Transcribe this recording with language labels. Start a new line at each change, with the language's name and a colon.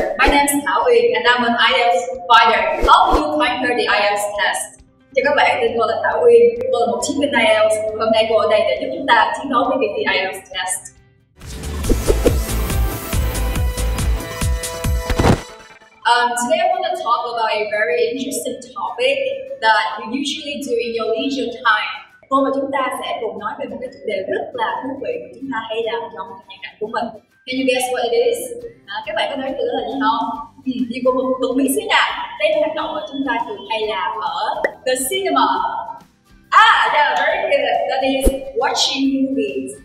English: Fire, how do you find her the IELTS test?
Vietnamese: Chào các bạn, tên cô là Thảo Uyên, cô là một chiến viên IELTS. Hôm nay cô ở đây để giúp chúng ta chiến đấu với việc thi IELTS test.
English: Today I want to talk about a very interesting topic that you usually do in your leisure time.
Vietnamese: Cô và chúng ta sẽ cùng nói về một cái chủ đề rất là thú vị mà chúng ta hay làm trong thời gian của mình.
English: Can you guess what it is?
Vietnamese: Các bạn có nói thử là gì không? Thì cô một tuần mỹ xíu nè. Đây là hoạt động mà chúng ta thường hay làm ở the cinema.
English: Yeah, very good. That is watching movies.